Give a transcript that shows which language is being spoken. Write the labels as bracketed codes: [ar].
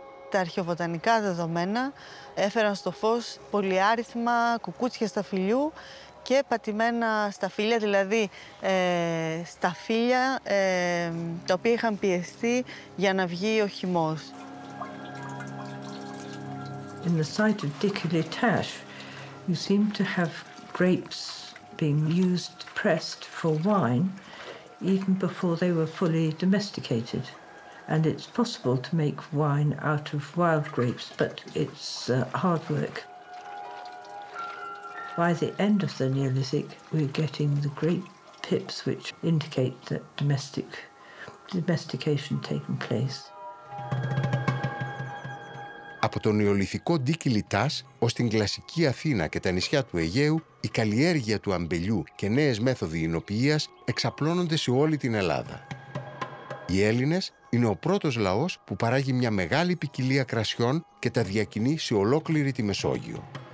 [el] Τα αρχαιοβοτανικά δεδομένα έφεραν στο φως πολυάριθμα κουκούτσια σταφυλιού και πατημένα σταφύλια, δηλαδή σταφύλια τα οποία είχαν πιεστεί για να βγει ο χυμός. [en] In the site of Dikilitash, you seem to have grapes being used, pressed for wine, even before they were fully domesticated. And it's possible to make wine out of wild grapes, but it's hard work. By the end of the Neolithic, we're getting the grape pips, which indicate that domestication taken place. [el] Από το νεολιθικό Δικηλιτάς ως την κλασική Αθήνα και τα νησιά του Αιγαίου, η καλλιέργεια του αμπελιού και νέες μέθοδοι εινοποιίας εξαπλώνονται σε όλη την Ελλάδα. Οι Έλληνες είναι ο πρώτος λαός που παράγει μια μεγάλη ποικιλία κρασιών και τα διακινεί σε ολόκληρη τη Μεσόγειο.